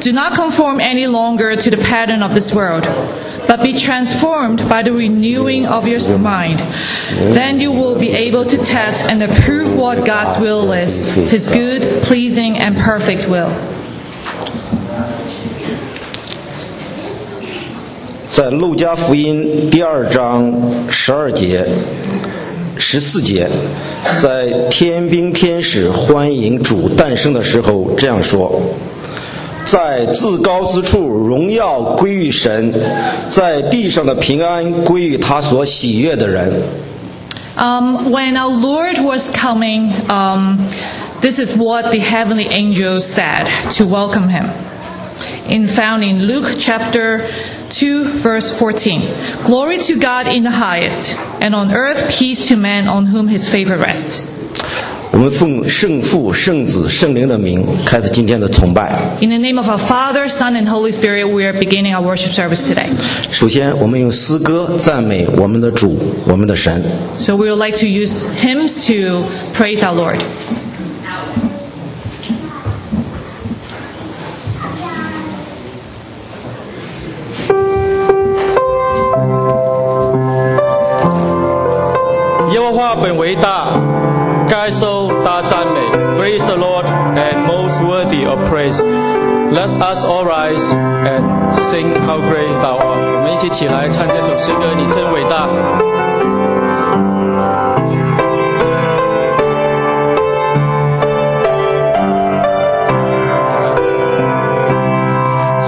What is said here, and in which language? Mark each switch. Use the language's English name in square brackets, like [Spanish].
[English] Do not conform any longer to the pattern of this world, but be transformed by the renewing of your mind. Then you will be able to test and approve what God's will is, His good, pleasing, and perfect will. [Chinese] 在路加福音12:12-14，在天兵天使欢迎主诞生的时候这样说，在至高之处荣耀归于神，在地上的平安归于他所喜悦的人。 [English] When our Lord was coming, this is what the heavenly angels said to welcome him. Found in Luke chapter 2 verse 14. Glory to God in the highest, and on earth peace to men on whom his favor rests. [Chinese] 我们奉圣父、圣子、圣灵的名开始今天的崇拜。 [English] In the name of our Father, Son, and Holy Spirit, we are beginning our worship service today. [Chinese] 首先，我们用诗歌赞美我们的主、我们的神。 [English] So we would like to use hymns to praise our Lord. [Chinese] 本为大，该受大赞美。 [English] Praise the Lord and most worthy of praise. Let us all rise and sing how great thou art. [Chinese] 我们一起起来唱这首诗歌，你真伟大。